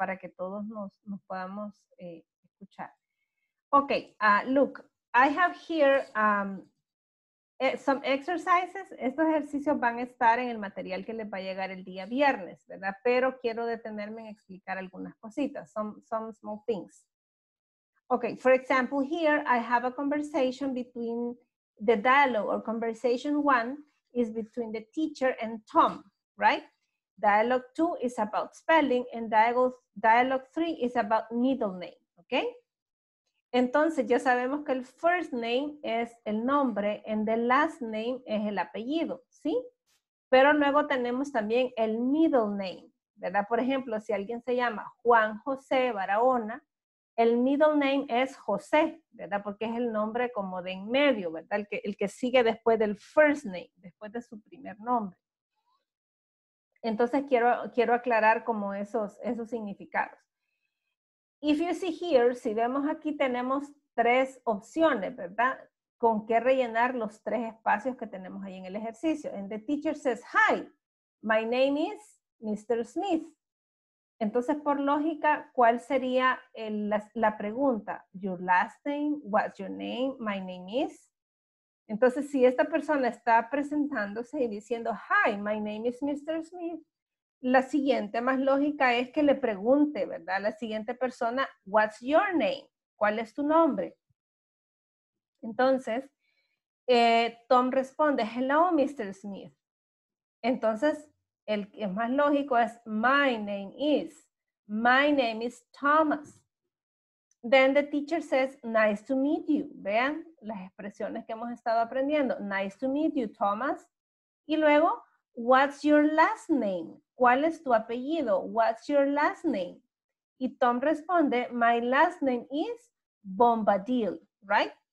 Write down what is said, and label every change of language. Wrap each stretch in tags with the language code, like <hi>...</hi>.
<es>Para que todos nos podamos escuchar. Okay, Luke.</es> <en>I have here some exercises.</en> <es>Estos ejercicios van a estar en el material que les va a llegar el día viernes, ¿verdad? Pero quiero detenerme en explicar algunas cositas,</es> <en>some small things. Okay, for example, here I have a conversation between the dialogue or conversation one is between the teacher and Tom, right? Dialogue two is about spelling and dialogue three is about middle name, okay?</en> <es>Entonces, ya sabemos que el first name es el nombre and the last name es el apellido, ¿sí? Pero luego tenemos también el middle name, ¿verdad? Por ejemplo, si alguien se llama Juan José Barahona, el middle name es José, ¿verdad? Porque es el nombre como de en medio, ¿verdad? El que sigue después del first name, después de su primer nombre. Entonces, quiero aclarar como esos significados.</es> <en>If you see here,</en> <es>si vemos aquí, tenemos tres opciones, ¿verdad? Con qué rellenar los tres espacios que tenemos ahí en el ejercicio.</es> <en>And the teacher says, hi, my name is Mr.</en> <es>Smith. Entonces, por lógica, ¿cuál sería la pregunta?</es> <en>Your last name, what's your name, my name is.</en> <es>Entonces, si esta persona está presentándose y diciendo,</es> <en>hi, my name is Mr.</en> <es>Smith, la siguiente más lógica es que le pregunte, ¿verdad? La siguiente persona,</es> <en>what's your name?</en> <es>¿Cuál es tu nombre? Entonces, Tom responde,</es> <en>hello,</en> <es>Mr. Smith. Entonces, el que es más lógico es,</es> <en>my name is Thomas. Then the teacher says, nice to meet you.</en> <es>Vean las expresiones que hemos estado aprendiendo.</es> <en>Nice to meet you, Thomas.</en> <es>Y luego,</es> <en>what's your last name?</en> <es>¿Cuál es tu apellido?</es> <en>What's your last name?</en> <es>Y Tom responde,</es> <en>my last name is Bombadil, right?</en>